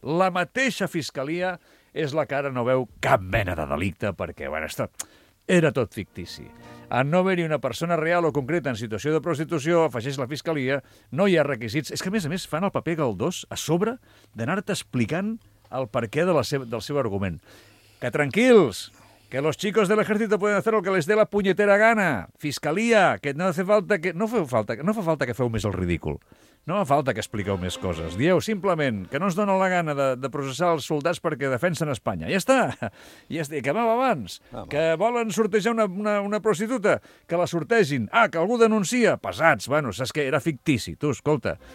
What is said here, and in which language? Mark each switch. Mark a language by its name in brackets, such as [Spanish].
[Catalan] La mateixa fiscalia és la que ara no veu cap mena de delicte perquè, bueno, està... era tot fictici. En no haver-hi una persona real o concreta en situació de prostitució, afegeix la fiscalia, no hi ha requisits. És que, a més, fan el paper galdós a sobre d'anar-te explicant el perquè de del seu argument. Que tranquils, [Spanish] que los chicos de l'ejército pueden hacer lo que les dé la puñetera gana. Fiscalia, que no hace falta que... [Catalan] No fa falta que feu més el ridícul. No fa falta que expliqueu més coses. Dieu simplement que no ens dona la gana de processar els soldats perquè defensen Espanya. Ja està. Ja està. Que vam abans. [Spanish] Vamos. [Catalan] Que volen sortejar una prostituta. Que la sortegin. Ah, que algú denuncia. Pesats. Bueno, saps què? Era fictici. Tu, escolta.